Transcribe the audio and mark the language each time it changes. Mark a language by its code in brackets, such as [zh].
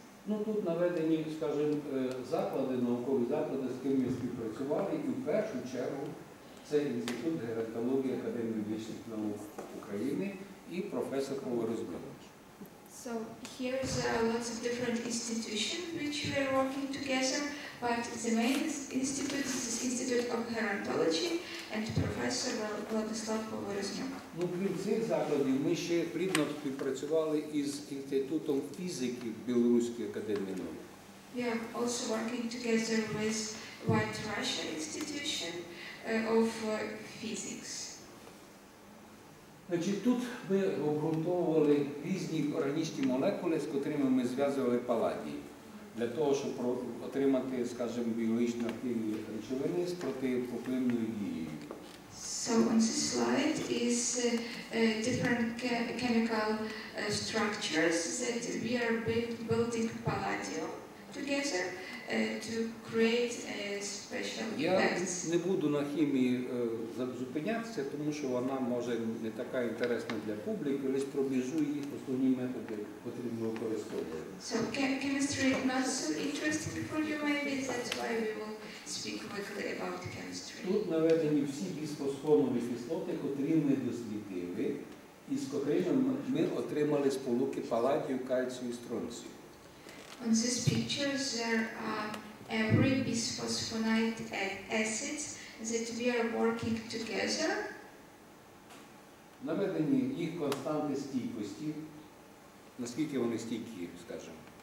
[uk] Ну тут наведені, скажімо, заклади, наукові заклади, з ким ми співпрацювали, і в першу чергу це Інститут геронтології Академії медичних наук України і професор Павло Розбілович. [en] So here are lots of different institutions which we are working together, but the main institute is the Institute of Gerontology and Professor Vladislav Povoroznyuk. [uk] Ну, крім цих закладів, ми ще плідно співпрацювали із Інститутом фізики Білоруської академії наук. [en] We are also working together with White Russia Institution of Physics. [uk] Значить, тут ми обґрунтовували різні органічні молекули, з котрими ми зв'язували паладії, для того, щоб отримати, скажімо, біологічно активні речовини з протипопливною дією. [en] So on this slide is different chemical structures that we are building паладіо together to create a special effects. [uk] Я не буду на хімії зупинятися, тому що вона може не така інтересна для публіки, лише пробіжу її основні методи, які ми використовуємо. [en] So chemistry is not so interesting for you, maybe that's why we will speak quickly about chemistry. [uk] Тут наведені всі бісфосфонові кислоти, які ми дослідили, і з котрими ми отримали сполуки паладію, кальцію і стронцію. [en] On this picture there are every bisphosphonate acid that we are working together. [uk] Наведені їх константи стійкості. Наскільки вони стійкі, скажімо?